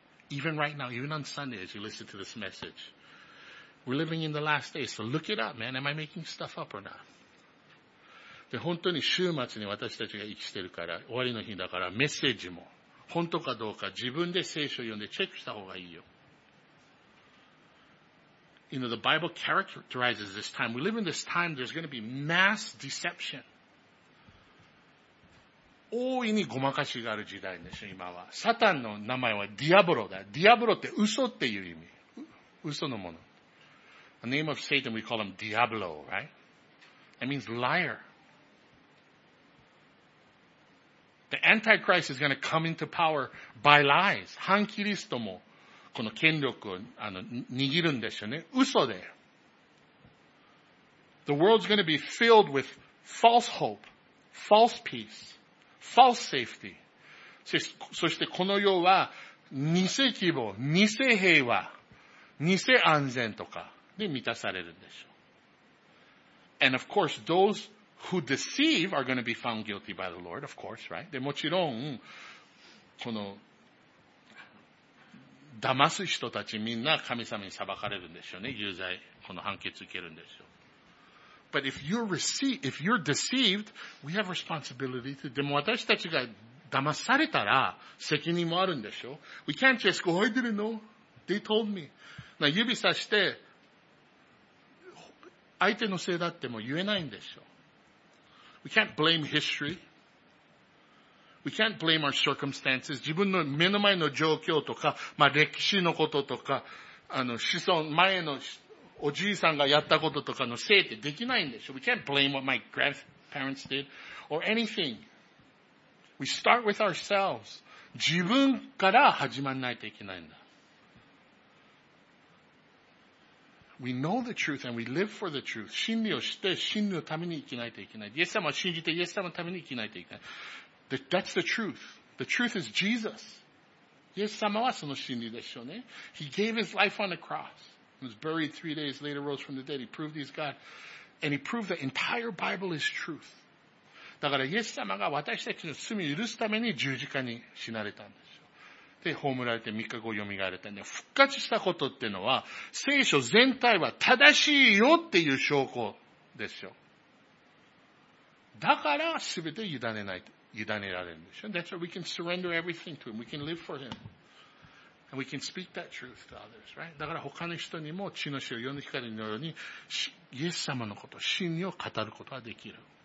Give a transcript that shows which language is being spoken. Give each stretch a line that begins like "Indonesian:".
English: Even right now, even on Sunday as you listen to this message, we're living in the last days, so look it up, man. Am I making stuff up or not?
Japanese: で、本当に週末に私たちが生きてるから、終わりの日だからメッセージも本当かどうか自分で聖書を読んでチェックした方がいいよ。
English: You know, the Bible characterizes this time. We live in this time, there's going to be mass deception.
Japanese: 大いにごまかしがある時代でしょ、今は。サタンの名前はディアブロだ。ディアブロって嘘っていう意味。嘘のもの。
English: The name of Satan, we call him Diablo, right? That means liar. The Antichrist is going to come into power by lies.
Korean: 한 그리스도모
Japanese: この権力を握るんですよね。嘘で。
English: The world's going to be filled with false hope, false peace, false safety.
Japanese: そしてこの世は偽希望、偽平和、偽安全とかで満たされるんでしょう。
English: And of course, those who deceive are going to be found guilty by the Lord, of course, right?
Japanese: で、もちろん、この、騙す人たちみんな神様に裁かれるんでしょうね。有罪、この判決受けるんでしょう。
English: But if you're deceived, we have responsibility to,
Japanese: でも私たちが騙されたら責任もあるんでしょう。
English: We can't just go, I didn't know. They told me.
Japanese: な、指さして、相手のせいだっても言えないんでしょう。
English: We can't blame history. We can't blame our circumstances.
Japanese: 自分の目の前の状況とか、まあ、歴史のこととか、子孫、前のおじいさんがやったこととかのせいってできないんでしょう。
English: We can't blame what my grandparents did or anything. We start with ourselves.
Japanese: 自分から始まないといけないんだ。
English: We know the truth and we live for the truth.
Japanese: 真理を知って真理のために生きないといけない。イエス様を信じてイエス様のために生きないといけない。
English: That's the truth. The truth is Jesus.
Japanese: イエス様はその真理でしょうね。
English: He gave his life on the cross. He was buried 3 days later, rose from the dead. He proved he's God. And he proved the entire Bible is truth.
Japanese: だからイエス様が私たちの罪を許すために十字架に死なれたんです。で、葬られて3日後蘇られたんで、復活したことっていうのは、聖書全体は正しいよっていう証拠ですよ。だから、すべて委ねない、委ねられるんでしょ。
English: That's why we can surrender everything to Him. We can live for Him. And we can speak that truth to others, right?
Japanese: だから他の人にも、血の塩、世の光のように、イエス様のこと、真理を語ることができる。